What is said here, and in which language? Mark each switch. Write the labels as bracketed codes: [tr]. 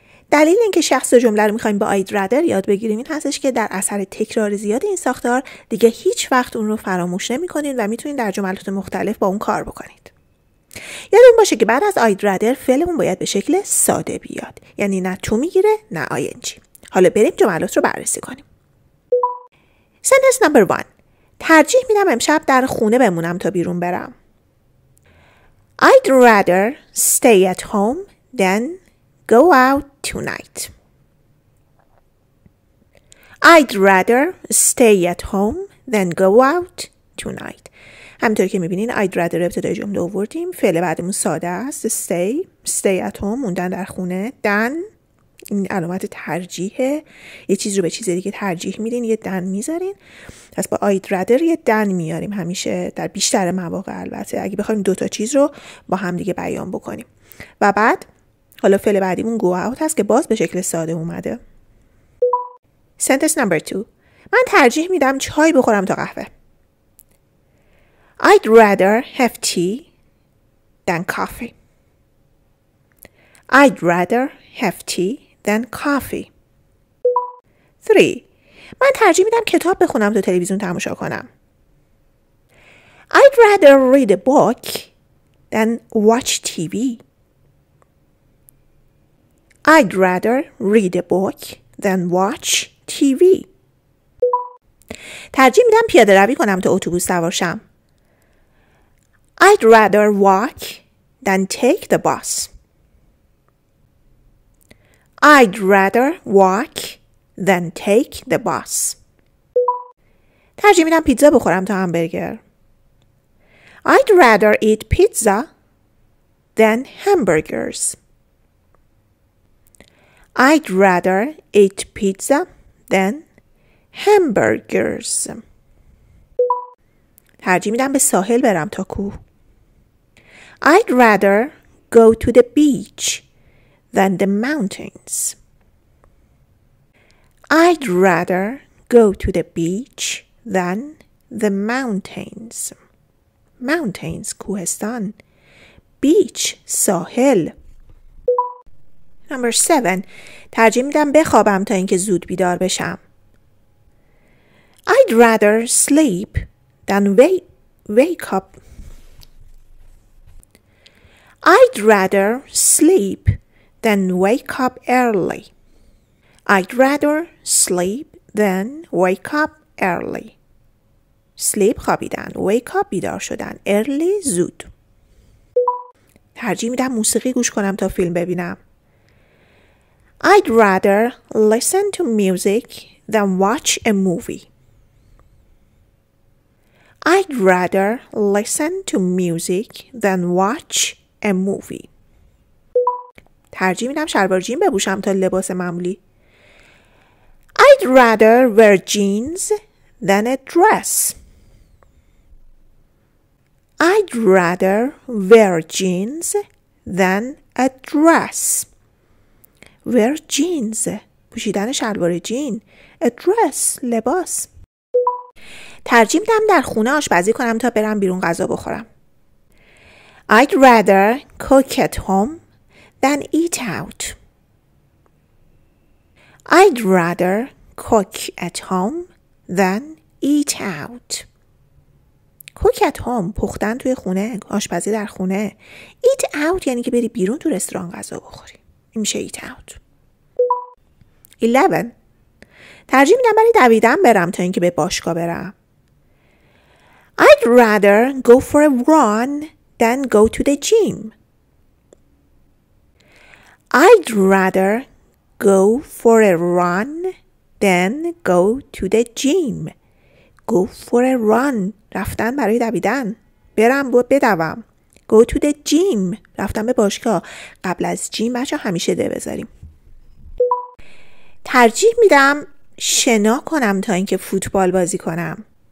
[fa] دلیل اینکه شخص و جمله رو میخواییم با [en] I'd rather [fa] یاد بگیریم این هستش که در اثر تکرار زیاد این ساختار دیگه هیچ وقت اون رو فراموش نمی کنین و میتونین در جملات مختلف با اون کار بکنید. یادون باشه که بعد از [en] I'd rather [fa] فعلمون باید به شکل ساده بیاد، یعنی نه تو میگیره نه ING. حالا بریم جملات رو بررسی کنیم. [en] Sentence number one. [fa] ترجیح میدم امشب در خونه بمونم تا بیرون برم. [en] I'd rather stay at home than go out tonight. I'd rather stay at home than go out tonight. [fa] همطور که میبینین [en] I'd rather [fa] ابتدای جمله آوردیم. فعل بعدمون ساده است. [en] Stay at home، [fa] موندن در خونه. Than، این علامت ترجیحه. یه چیز رو به چیز دیگه ترجیح میدین، یه دن میذارین. پس با [en] I'd rather [fa] یه دن میاریم همیشه، در بیشتر مواقع البته، اگه بخوایم دوتا چیز رو با هم دیگه بیان بکنیم. و بعد حالا فعل بعدیمون [en] go out [fa] هست که باز به شکل ساده اومده. [en] Sentence number two. [fa] من ترجیح میدم چای بخورم تا قهوه. [en] I'd rather have tea than coffee. I'd rather have tea than coffee. 3. [fa] من ترجیح میدم کتاب بخونم تا تلویزیون تماشا کنم. [en] I'd rather read a book than watch TV. I'd rather read a book than watch TV. [fa] ترجیح میدم پیاده روی کنم تا اتوبوس سوار شم. [en] I'd rather walk than take the bus. I'd rather walk than take the bus. [fa] ترجیح میدم پیتزا بخورم تا همبرگر. [en] I'd rather eat pizza than hamburgers. I'd rather eat pizza than hamburgers. [fa] ترجیح میدم به ساحل برم تا کوه. [en] I'd rather go to the beach than the mountains. I'd rather go to the beach than the mountains. Mountains, [fa] کوهستان. [en] Beach, [fa] ساحل. [en] Number 7. [fa] ترجیح میدم بخوابم تا اینکه زود بیدار بشم. [en] I'd rather sleep than wake up. I'd rather sleep than wake up early. I'd rather sleep than wake up early. Sleep [fa] خوابیدن، [en] wake up [fa] بیدار شدن، [en] early [fa] زود. ترجیح میدم موسیقی گوش کنم تا فیلم ببینم. [en] I'd rather listen to music than watch a movie. I'd rather listen to music than watch a movie. [fa] ترجیح میدم شلوار جین بپوشم تا لباس معمولی. [en] I'd rather wear jeans than a dress. I'd rather wear jeans than a dress. Wear jeans، [fa] پوشیدن شلوار جین. [en] A dress، [fa] لباس. ترجیح میدم در خونه آشپزی کنم تا برم بیرون غذا بخورم. [en] I'd rather cook at home than eat out. I'd rather cook at home than eat out. Cook at home، [fa] پختن توی خونه، آشپزی در خونه. [en] Eat out [fa] یعنی که بری بیرون تو رستوران غذا بخوری. این میشه [en] eat out. [fa] 11. ترجیح میدم برای دویدن برم تا اینکه به باشگاه برم. [en] I'd rather go for a run than go to the gym. I'd rather go for a run than go to the gym. Go for a run، [fa] رفتن برای دویدن. برم و بدوم. [en] Go to the gym، [fa] رفتن به باشگاه. قبل از جیم بچه همیشه ده بذاریم. ترجیح میدم شنا کنم تا اینکه فوتبال بازی کنم.